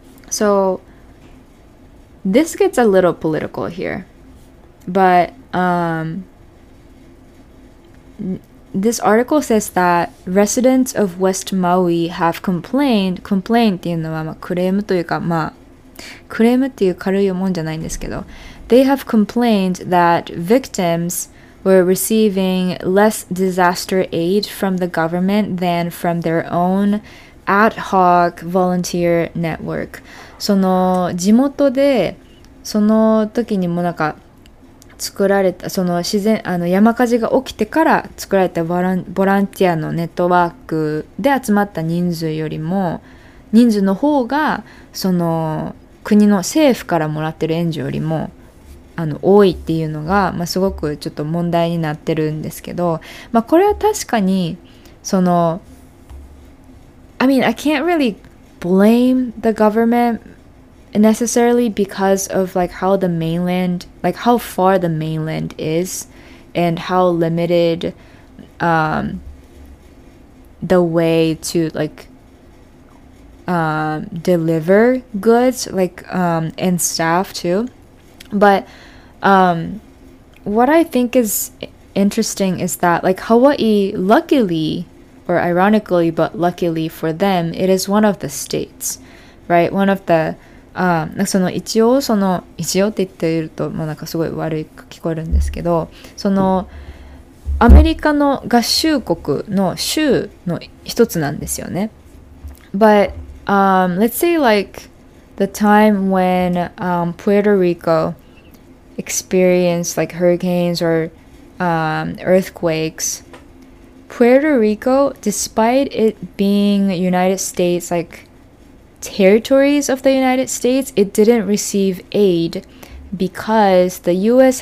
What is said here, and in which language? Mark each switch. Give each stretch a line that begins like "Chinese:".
English: So, this gets a little political here, but this article says that residents of West Maui have complained
Japanese: っていうのはまあクレームというかまあクレームっていう軽いもんじゃないんですけど、
English: they have complained that victims were receiving less disaster aid from the government than from their own ad hoc volunteer network.
Japanese: その地元でその時にもなんか作られたその自然山火事が起きてから作られたボランティアのネットワークで集まった人数よりも人数の方がその国の政府からもらってる援助よりも多いっていうのが、まあ、すごくちょっと問題になってるんですけど、まあ、これは確かにその
English: I mean, I can't really blame the government necessarily because of like how the mainland, like how far the mainland is and how limited the way to like deliver goods like and staff too. ButWhat I think is interesting is that like Hawaii, luckily or ironically, but luckily for them, it is one of the states, right? One of the,
Japanese: その一応その一応って言っていると、まあ、なんかすごい悪く聞こえるんですけど、そのアメリカの合衆国の州の一つなんですよね。
English: But, let's say like the time when, Puerto Rico,experience like hurricanes or earthquakes. Puerto Rico, despite it being United States, like territories of the United States, it didn't receive aid because the U.S.